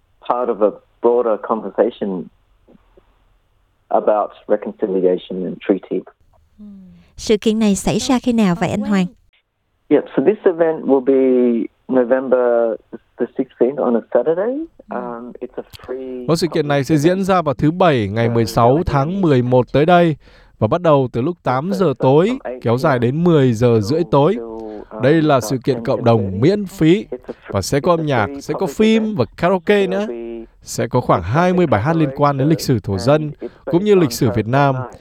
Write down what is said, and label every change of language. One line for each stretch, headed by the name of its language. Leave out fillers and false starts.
English: Part of a broader conversation about reconciliation and treaty.
Vietnamese: Sự kiện này xảy ra khi nào vậy anh Hoàng?
English: Yeah, so this event will be November the 16th on a Saturday. It's a free.
Vietnamese: Một sự kiện này sẽ diễn ra vào thứ bảy ngày 16 tháng 11 tới đây và bắt đầu từ lúc 8 giờ tối kéo dài đến 10 giờ rưỡi tối. Đây là sự kiện cộng đồng miễn phí và sẽ có âm nhạc, sẽ có phim và karaoke nữa. Sẽ có khoảng 20 bài hát liên quan đến lịch sử thổ dân cũng như lịch sử Việt Nam.